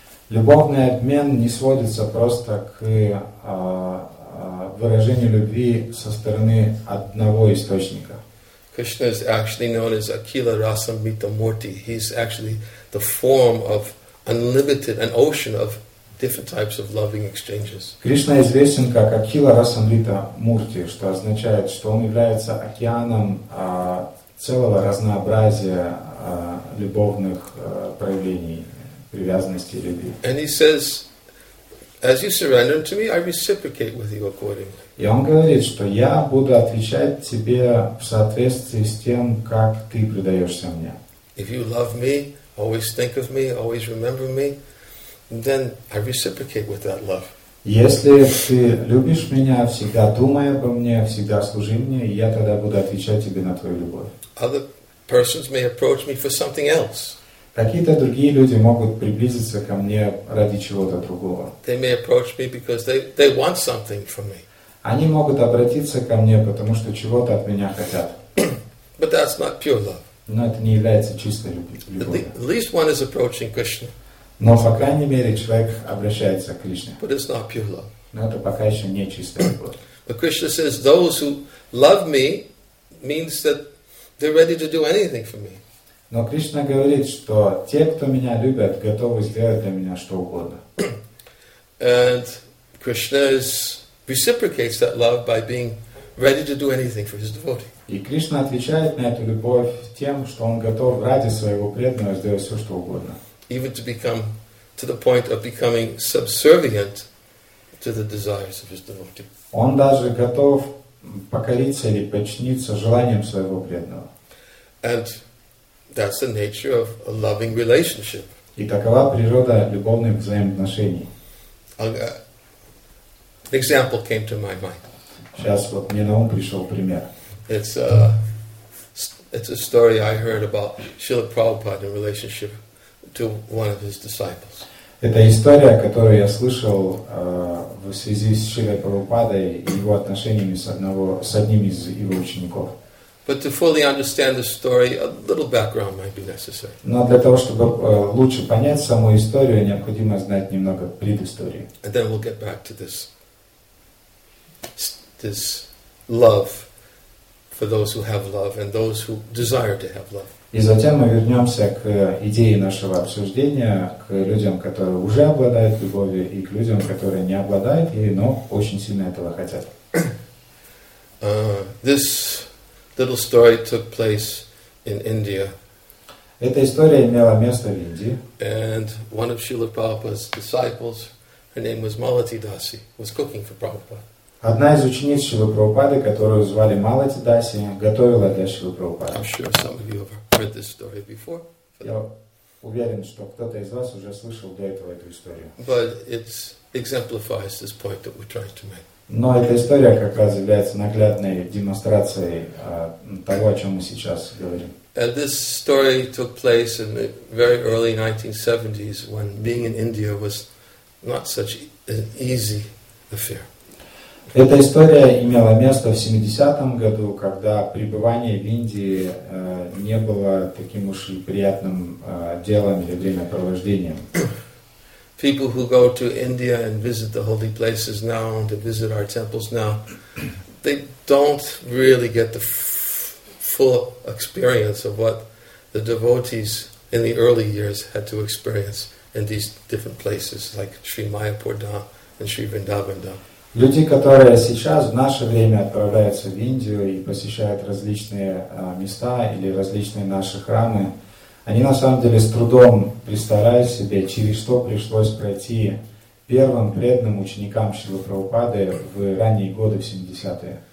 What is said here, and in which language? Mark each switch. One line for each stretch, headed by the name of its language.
Russian: Любовный обмен не сводится просто к выражению любви со стороны одного источника.
English: Krishna is actually known as Akila Rasamrita Murti. He's actually the form of unlimited, an ocean of different types of loving exchanges.
Russian: Кришна известен как Акила Расамрита Мурти, что означает, что он является океаном целого разнообразия любовных проявлений, привязанности и любви.
English: And he says, as you surrender to me, I reciprocate with you accordingly.
Russian: И он говорит, что я буду отвечать тебе в соответствии с тем, как ты предаешься мне.
English: If you love me, always think of me, always remember me, then I reciprocate with that love.
Russian: Если ты любишь меня, всегда думай обо мне, всегда служи мне, я тогда буду отвечать тебе на твою любовь.
English: Other persons may approach me for something else.
Russian: Какие-то другие люди могут приблизиться ко мне ради чего-то другого.
English: They may approach me because they want something from me.
Russian: Они могут обратиться ко мне, потому что чего-то от меня хотят.
English: But that's not pure love.
Russian: Но это не является чистой любовью.
English: At least one is approaching Krishna.
Russian: Но, по крайней мере, человек обращается к Кришне.
English: But it's not pure love.
Russian: Но это пока еще не чистая любовь.
English: But Krishna says, those who love me means that they're ready to do anything for me.
Russian: Но Кришна говорит, что те, кто меня любят, готовы сделать для меня что угодно.
English: And Krishna reciprocates that love by being ready to do anything for his devotee.
Russian: И Кришна отвечает на эту любовь тем, что он готов ради своего преданного сделать все, что угодно.
English: Even to become to the point of becoming subservient to the desires of his devotee.
Russian: Он даже готов покориться или подчиниться желаниям своего преданного.
English: And that's the nature of a loving relationship.
Russian: И такова природа любовных взаимоотношений.
English: An example came to my mind.
Russian: Сейчас вот мне на ум пришел пример.
English: It's a story I heard about Srila Prabhupada in relationship to one of his disciples.
Russian: Это история, которую я слышал в связи с Шрилой Прабхупадой и его отношениями с одним из его учеников.
English: But to fully understand the story, a little background might be necessary.
Russian: Но для того, чтобы лучше понять саму историю, необходимо знать немного предыстории.
English: And then we'll get back to this love for those who have love and those who desire to have love.
Russian: И затем мы вернемся к идее нашего обсуждения, к людям, которые уже обладают любовью, и к людям, которые не обладают ею, но очень сильно этого хотят.
English: This little story took place in India.
Russian: Эта история имела место в Индии.
English: And one of Srila Prabhupada's disciples, her name was Malati Dasi, was cooking for Prabhupada.
Russian: Одна из учениц Шрилы Прабхупады, которую звали Малати Даси, готовила для Шрилы Прабхупады.
English: I'm sure some of you have heard this story before.
Russian: Я уверен, что кто-то из вас уже слышал до этого эту историю.
English: But it exemplifies this point that we're trying to make.
Russian: Но эта история как раз является наглядной демонстрацией того, о чем мы сейчас говорим.
English: And this story took place in the very early 1970s, when being in India was not such an easy affair.
Russian: Эта история имела место в 70-м году, когда пребывание в Индии не было таким уж и приятным делом или времяпровождением.
English: People who go to India and visit the holy places now, and to visit our temples now, they don't really get the full experience of what the devotees in the early years had to experience in these different places, like Sri Mayapur Dham and Sri Vrindavan Dham.
Russian: Люди, которые сейчас в наше время отправляются в Индию и посещают различные места или различные наши храмы, они на самом деле с трудом представляют себе, через что пришлось пройти первым преданным ученикам Шрилы Прабхупады в ранние годы, в 70-е.